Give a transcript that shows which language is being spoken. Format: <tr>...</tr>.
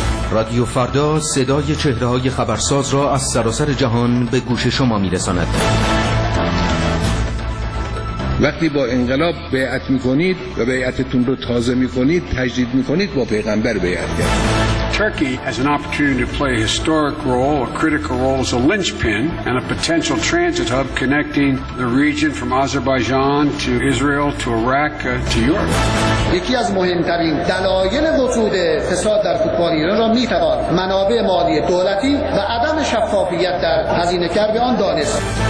<fa>رادیو فردا صدای چهره‌های خبرساز را از سراسر جهان به گوش شما می‌رساند. وقتی با انقلاب بیعت می‌کنید و بیعتتون رو تازه می‌کنید، تجدید می‌کنید، با پیغمبر بیعت کردید.</fa> <en>Turkey has an opportunity to play a historic role, a critical role as a linchpin and a potential transit hub connecting the region from Azerbaijan to Israel to Iraq to Europe.</en> <fa>یکی از مهمترین دلایل وجود فساد در فوتبال ایران را می توان منابع مالی دولتی و عدم شفافیت در هزینه کرد آن دانست.</fa>